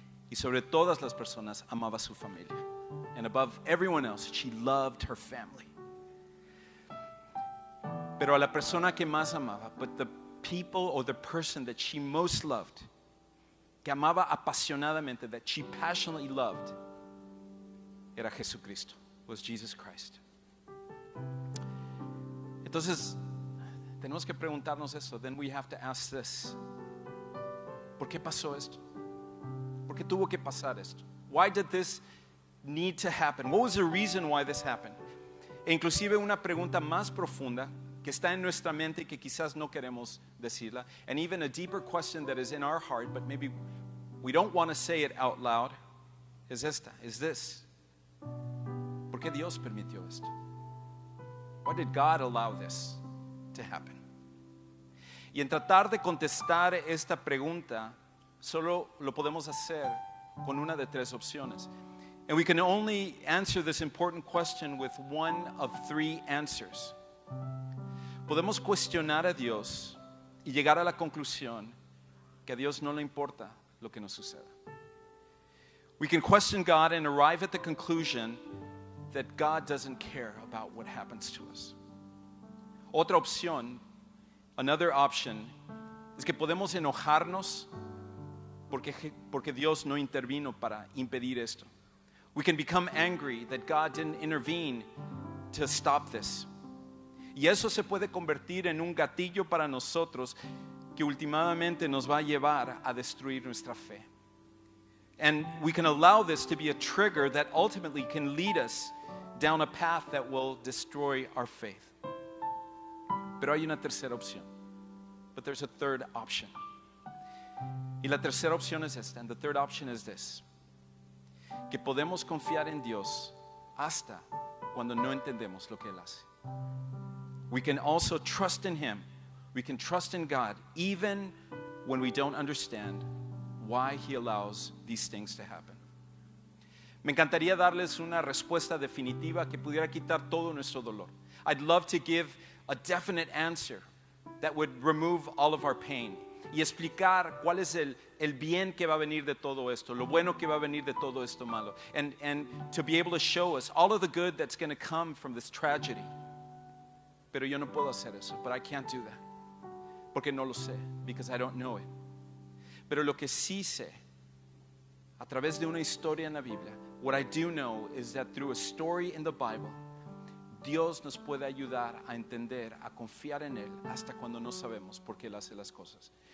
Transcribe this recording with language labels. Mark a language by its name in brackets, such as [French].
[Spanish] Y sobre todas las personas, amaba su familia. [English] And above everyone else, she loved her family. [Spanish] Pero a la persona que más amaba, [English] but the people or the person that she most loved, [Spanish] que amaba apasionadamente, [English] that she passionately loved, [Spanish] era Jesucristo, [English] was Jesus Christ. [Spanish] Entonces, tenemos que preguntarnos eso. [English] Then we have to ask this. [Spanish] ¿Por qué pasó esto? ¿Por qué tuvo que pasar esto? [English] Why did this need to happen? What was the reason why this happened? [Spanish] E inclusive una pregunta más profunda que está en nuestra mente y que quizás no queremos decirla. [English] And even a deeper question that is in our heart, but maybe we don't want to say it out loud, [Spanish] es esta, [English] is this. [Spanish] ¿Por qué Dios permitió esto? [English] Why did God allow this to happen? [Spanish] Y en tratar de contestar esta pregunta, solo lo podemos hacer con una de tres opciones. [English] And we can only answer this important question with one of three answers. [Spanish] Podemos cuestionar a Dios y llegar a la conclusión que a Dios no le importa lo que nos suceda. [English] We can question God and arrive at the conclusion that God doesn't care about what happens to us. [Spanish] Otra opción, [English] another option, [Spanish] es que podemos enojarnos porque Dios no intervino para impedir esto. [English] We can become angry that God didn't intervene to stop this. [Spanish] Y eso se puede convertir en un gatillo para nosotros que últimamente nos va a llevar a destruir nuestra fe. [English] And we can allow this to be a trigger that ultimately can lead us down a path that will destroy our faith. [Spanish] Pero hay una tercera opción. [English] But there's a third option. [Spanish] Y la tercera opción es esta. [English] And the third option is this. [Spanish] Que podemos confiar en Dios hasta cuando no entendemos lo que Él hace. [English] We can also trust in Him. We can trust in God even when we don't understand why He allows these things to happen. [Spanish] Me encantaría darles una respuesta definitiva que pudiera quitar todo nuestro dolor. [English] I'd love to give a definite answer that would remove all of our pain. [Spanish] Y explicar cuál es el bien que va a venir de todo esto, lo bueno que va a venir de todo esto malo. [English] And to be able to show us all of the good that's going to come from this tragedy. [Spanish] Pero yo no puedo hacer eso. [English] But I can't do that. [Spanish] Porque no lo sé. [English] Because I don't know it. [Spanish] Pero lo que sí sé, a través de una historia en la Biblia, [English] what I do know is that through a story in the Bible, [Spanish] Dios nos puede ayudar a entender, a confiar en Él hasta cuando no sabemos por qué Él hace las cosas.